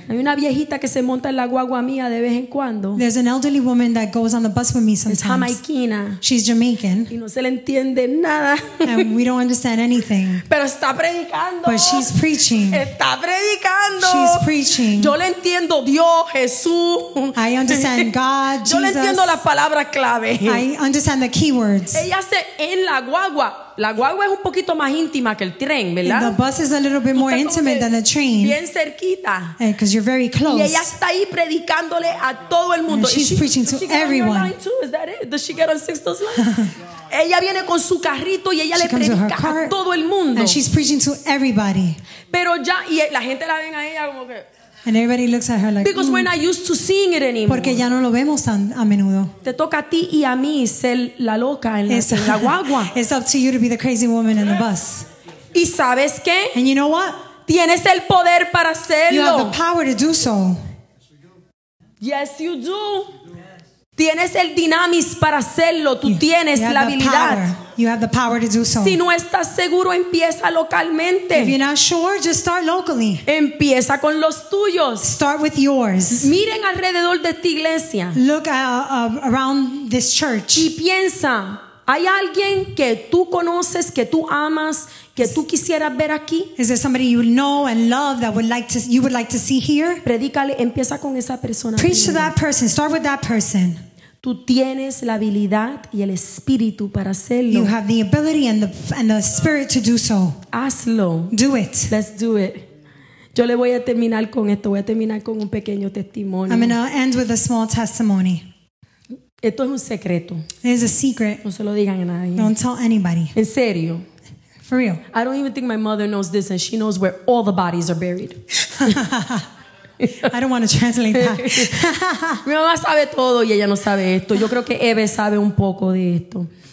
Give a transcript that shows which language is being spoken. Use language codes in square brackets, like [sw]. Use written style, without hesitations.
[es] Hay una viejita que se monta en la guagua mía de vez en cuando. [en] There's an elderly woman that goes on the bus with me sometimes. [es] Es jamaiquina. [en] She's Jamaican. [es] Y no se le entiende nada. [en] And we don't understand anything. [es] Pero está predicando. [en] But she's preaching. [es] Está predicando. [en] She's preaching. [es] Yo le entiendo Dios, Jesús. [en] I understand God, Jesus. [es] Yo le entiendo las palabras clave. [en] I understand the keywords. [es] Ella se en la guagua. La guagua es un poquito más íntima que el tren, ¿verdad? [en] The bus is a little bit more intimate than the train. [es] Bien cerquita. [en] Because you're very close. [es] Y ella está ahí predicándole a todo el mundo. [en] And she's preaching to everyone. Does she get on your line too? Is that it? Does she get on Sixto's line? [es] Ella viene con su carrito y ella le predica a todo el mundo. [en] And she's preaching to everybody. [es] Pero ya, y la gente la ven a ella como que... [en] And everybody looks at her like, because we're not used to seeing it anymore. [es] Porque ya no lo vemos tan a menudo. Te toca a ti y a mí ser la loca en la guagua. [en] It's up to you to be the crazy woman in the bus. [es] ¿Y sabes qué? [en] And you know what? [es] Tienes el poder para hacerlo. [en] You have the power to do so. Yes, you do. [es] Tienes el dinamis para hacerlo. Tú tienes la habilidad. [en] You have the power to do so. [es] Si no estás seguro, empieza localmente. [en] If you're not sure, just start locally. [es] Empieza con los tuyos. [en] Start with yours. [es] Miren alrededor de esta iglesia. [en] Look around this church. [es] Y piensa, ¿hay alguien que tú conoces, que tú amas, que tú quisieras ver aquí? [en] Is there somebody you know and love that would like to see here? [es] Predícale, empieza con esa persona. [en] Preach to that person. Start with that person. [es] Tú tienes la habilidad y el espíritu para hacerlo. [en] You have the ability and the spirit to do so. [es] Hazlo. [en] Do it. Let's do it. [es] Yo le voy a terminar con esto. Voy a terminar con un pequeño testimonio. [en] I'm going to end with a small testimony. [es] Esto es un secreto. [en] It is a secret. [es] No se lo digan a nadie. [en] Don't tell anybody. [es] En serio. [en] For real. I don't even think my mother knows this, and she knows where all the bodies are buried. I don't want to translate that. [es] Mi mamá sabe todo y ella no sabe esto. Yo creo que Eve sabe un poco de esto.